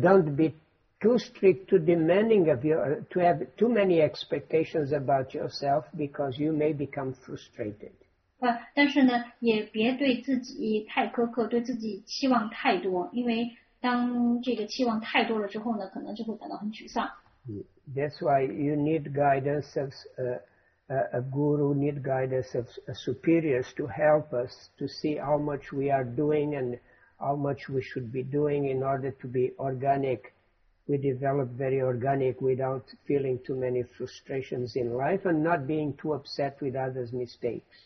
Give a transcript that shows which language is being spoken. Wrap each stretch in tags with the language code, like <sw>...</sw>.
<en>don't be too strict, too demanding of you, to have too many expectations about yourself, because you may become frustrated.</en> <zh>但是呢，也别对自己太苛刻，对自己期望太多，因为当这个期望太多了之后呢，可能就会感到很沮丧。</zh> <en>That's why you need guidance of a guru, need guidance of superiors to help us to see how much we are doing and how much we should be doing in order to be organic. We develop very organic without feeling too many frustrations in life and not being too upset with others' mistakes.</en>